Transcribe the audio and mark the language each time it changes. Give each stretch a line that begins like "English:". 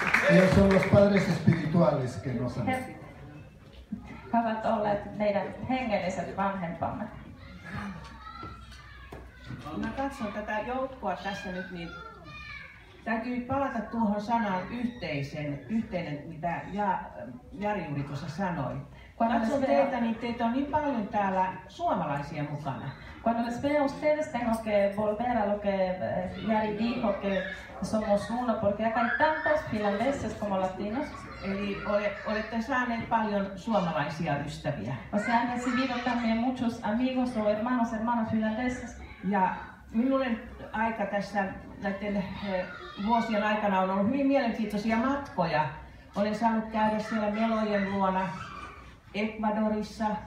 Spanish: Ellos son los padres espirituales que nos han.
Finnish: Ovat olleet meidän hengelliset vanhempamme. Mä katson tätä joukkoa tässä nyt, niin täytyy palata tuohon sanaan yhteinen, mitä Jari juuri tuossa sanoi. Katson teitä, niin teitä on niin paljon täällä suomalaisia mukana.
Spanish: Cuando les veo a ustedes tengo que volver a lo que Yari dijo, que somos uno, porque acá hay tantos finlandeses como latinos.
Finnish: Eli olette saaneet paljon suomalaisia ystäviä.
Spanish: O sea, han recibido también muchos amigos o hermanos finlandeses.
Finnish: Ja minulle aika tässä näiden vuosien aikana on ollut hyvin mielenkiintoisia matkoja. Olen saanut käydä siellä melojen luona Ecuadorissa.